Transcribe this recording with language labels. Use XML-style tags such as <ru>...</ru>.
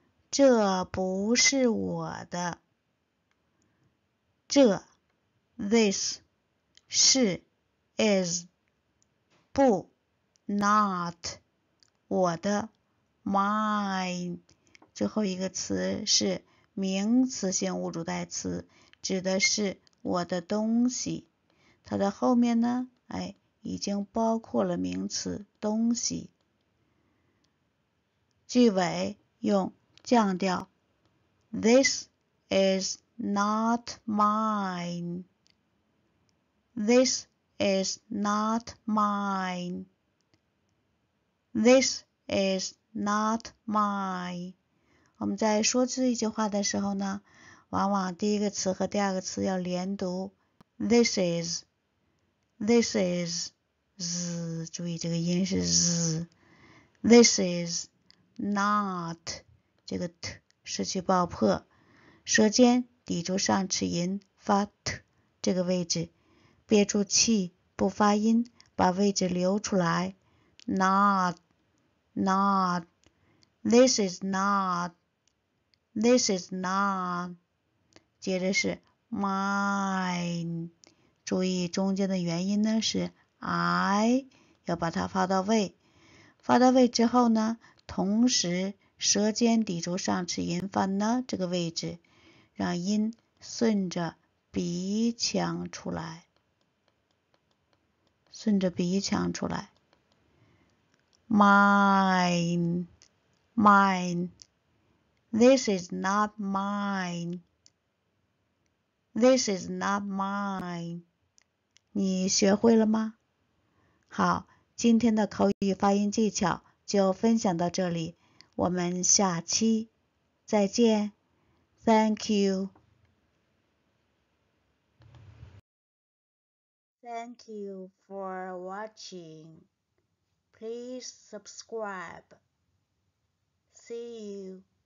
<zh>这不是我的。这，</zh> <en>this，</en> <zh>是，</zh> <en>is，</en> <zh>不，</zh> <en>not，</en> <zh>我的，</zh> <en>mine，</en> <zh>最后一个词是名词性物主代词，指的是我的东西。它的后面呢，哎，已经包括了名词东西。句尾用降调，</zh> <en>This is not mine. This is not mine. This is not mine.</en> <zh>我们在说这一句话的时候呢，往往第一个词和第二个词要连读。</zh> <en>This is, this is,</en> <zh>z，注意这个音是 z。</zh> <en>This is not，</en> <zh>这个 t 失去爆破，舌尖抵住上齿龈发 t 这个位置，憋住气不发音，把位置留出来。</zh> <en>Not, not, this is not, this is not。</en> <zh>接着是 mine，注意中间的元音呢是 i，要把它发到位。发到位之后呢，同时舌尖抵住上齿龈发呢这个位置，让音顺着鼻腔出来，顺着鼻腔出来。</zh> <en>Mine, mine, this is not mine, this is not mine。</en> <zh>你学会了吗？好，今天的口语发音技巧就分享到这里。我们下期再见，</zh> <en>Thank you。 Thank you for watching. Please subscribe. See you.</en>